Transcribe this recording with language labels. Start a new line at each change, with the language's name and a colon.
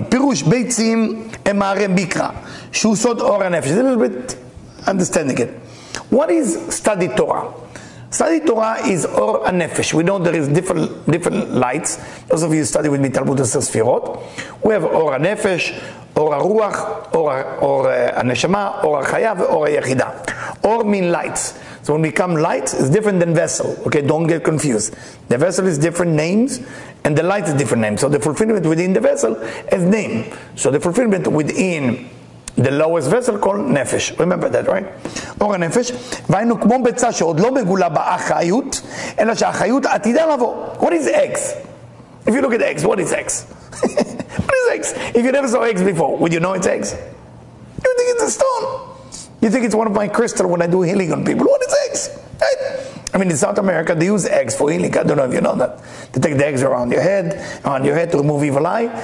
Hebrew: Pirush beitzim emarem bikra. Shusot or nefesh.
English: A little bit understanding it. What is study Torah? Study Torah is or nefesh. We know there is different lights. Those of you who study with me, Talmud and Sefirot. We have or nefesh,
Hebrew: אור הרוח, אור הנשמה, אור החיה ואור היחידה.
English: אור mean lights. So when we become light, it's different than vessel. Okay, don't get confused. The vessel is different names, and the light is different names. So the fulfillment within the vessel is name. So the fulfillment within the lowest vessel called nefesh. Remember that, right? אור הנפש.
Hebrew: והיינו כמו ביצה שעוד לא מגולה בה החיות, אלא שהחיות עתידה לבוא.
English: What is eggs? If you look at eggs, what is eggs? What is eggs? If you never saw eggs before, would you know it's eggs? You think it's a stone? You think it's one of my crystals when I do healing on people? What is eggs? I mean, in South America, they use eggs for healing. I don't know if you know that. They take the eggs around your head to remove evil eye.